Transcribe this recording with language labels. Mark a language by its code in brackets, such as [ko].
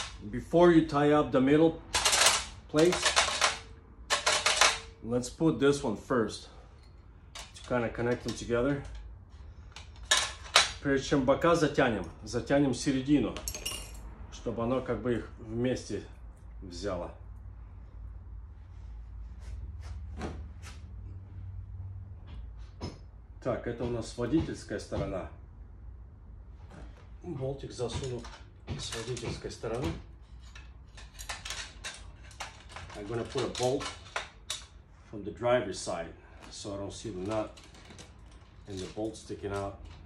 [en] Before you tie up the middle place, let's put this one first to kind of connect them together. [ru] Прежде чем бока затянем середину, чтобы оно как бы их вместе взяло. Так, это у нас водительская сторона. Болтик засуну с водительской стороны. [en] I'm gonna put a bolt from the driver's side so I don't see the nut and the bolt sticking out.